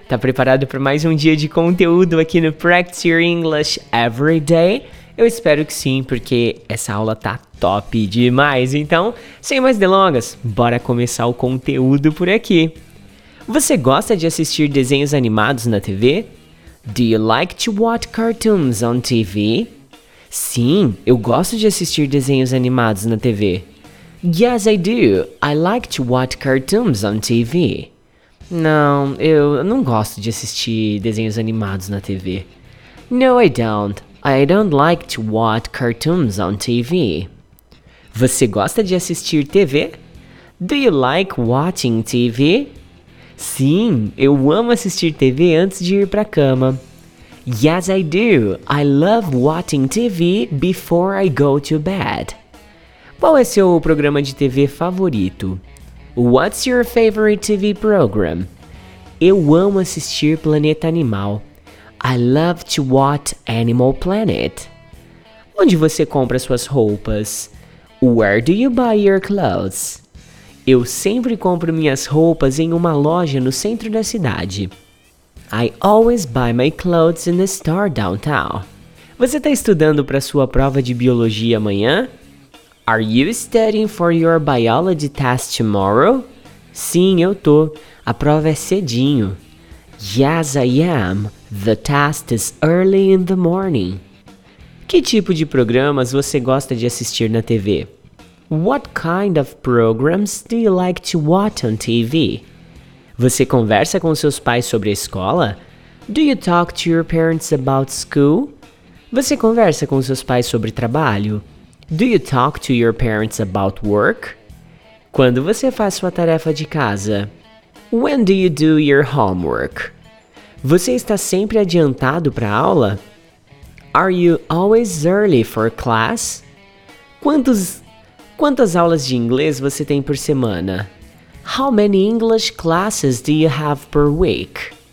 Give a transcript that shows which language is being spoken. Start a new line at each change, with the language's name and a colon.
Portuguese: Tá preparado para mais um dia de conteúdo aqui no Practice Your English Every Day? Eu espero que sim, porque essa aula tá top demais. Então, sem mais delongas, bora começar o conteúdo por aqui. Você gosta de assistir desenhos animados na TV?
English: Do you like to watch cartoons on TV?
Portuguese: Sim, eu gosto de assistir desenhos animados na TV.
English: Yes, I do. I like to watch cartoons on TV.
Portuguese: Não, eu não gosto de assistir desenhos animados na TV.
English: No, I don't. I don't like to watch cartoons on TV.
Portuguese: Você gosta de assistir TV?
English: Do you like watching TV?
Portuguese: Sim, eu amo assistir TV antes de ir para a cama.
English: Yes, I do. I love watching TV before I go to bed.
Portuguese: Qual é seu programa de TV favorito?
English: What's your favorite TV program?
Portuguese: Eu amo assistir Planeta Animal.
English: I love to watch Animal Planet.
Portuguese: Onde você compra suas roupas?
English: Where do you buy your clothes?
Portuguese: Eu sempre compro minhas roupas em uma loja no centro da cidade.
English: I always buy my clothes in the store downtown.
Portuguese: Você está estudando para sua prova de biologia amanhã?
English: Are you studying for your biology test tomorrow?
Portuguese: Sim, eu tô. A prova é cedinho.
English: Yes, I am. The test is early in the morning.
Portuguese: Que tipo de programas você gosta de assistir na TV?
English: What kind of programs do you like to watch on TV?
Portuguese: Você conversa com seus pais sobre a escola?
English: Do you talk to your parents about school?
Portuguese: Você conversa com seus pais sobre trabalho?
English: Do you talk to your parents about work?
Portuguese: Quando você faz sua tarefa de casa?
English: When do you do your homework?
Portuguese: Você está sempre adiantado para a aula?
English: Are you always early for class?
Portuguese: Quantas aulas de inglês você tem por semana?
English: How many English classes do you have per week?